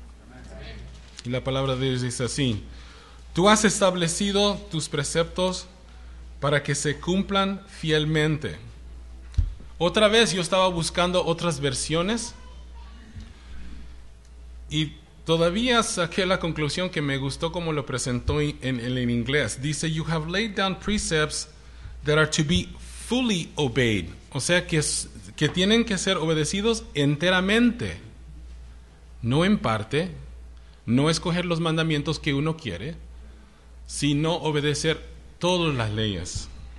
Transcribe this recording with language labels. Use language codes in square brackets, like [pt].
[es] Amén. Y la palabra de Dios dice así: Tú has establecido tus preceptos para que se cumplan fielmente. Otra vez yo estaba buscando otras versiones y todavía saqué la conclusión que me gustó como lo presentó en inglés. [en] Dice: You have laid down precepts that are to be fully obeyed. [es] O sea, que tienen que ser obedecidos enteramente, no en parte, no escoger los mandamientos que uno quiere, sino obedecer todas las leyes.